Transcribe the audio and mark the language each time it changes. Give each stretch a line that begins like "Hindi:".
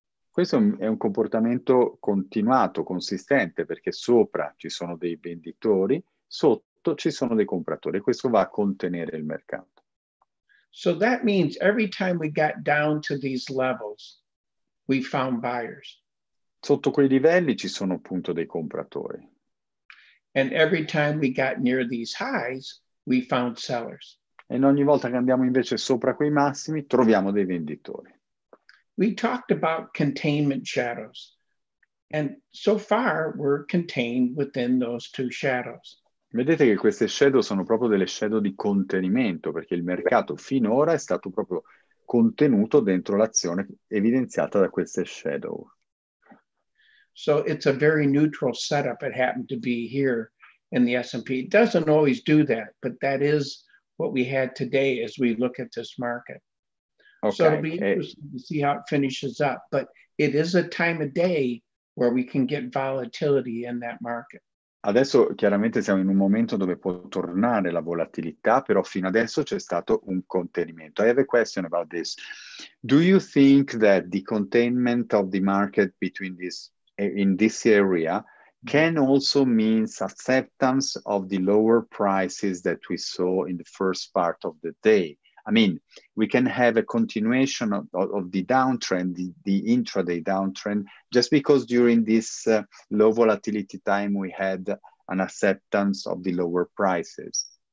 Italian: Questo è un comportamento continuato, consistente, perché sopra ci sono dei venditori, sotto ci sono dei compratori. Questo va a contenere il mercato.
English: So that means every time we got down to these levels, we found buyers.
Italian: Sotto quei livelli ci sono appunto dei compratori.
English: And every time we got near these highs, we found sellers.
Italian: E ogni volta che andiamo invece sopra quei massimi, troviamo dei venditori.
English: We talked about containment shadows, and so far we're contained within those two shadows.
Italian: Vedete che queste shadow sono proprio delle shadow di contenimento, perché il mercato finora è stato proprio contenuto dentro l'azione evidenziata da queste shadow.
English: So it's a very neutral setup. It happened to be here in the S&P. It doesn't always do that, but that is what we had today as we look at this market. Okay. So it'll be interesting to see how it finishes up, but it is a time of day where we can get volatility in that market.
Italian: Adesso chiaramente siamo in un momento dove può tornare la volatilità, però fino adesso c'è stato un contenimento.
English: I have a question about this. Do you think that the containment of the market between this in this area can also mean acceptance of the lower prices that we saw in the first part of the day? I mean, we can have a continuation of the downtrend, the intraday downtrend, just because during this low volatility time we had an acceptance of the lower prices.